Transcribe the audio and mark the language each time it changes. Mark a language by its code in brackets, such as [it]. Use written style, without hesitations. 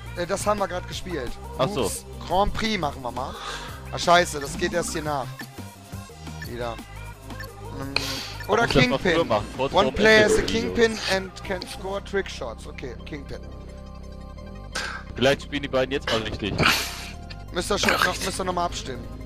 [de] Das haben wir gerade gespielt. Achso. Grand Prix machen wir mal. Ah, scheiße, das geht erst hier nach. Wieder. Oder Kingpin. [en] One player is a Kingpin and can score trick shots. [de] Okay, Kingpin. Vielleicht spielen die beiden jetzt mal richtig. Müsst ihr schon nochmal abstimmen.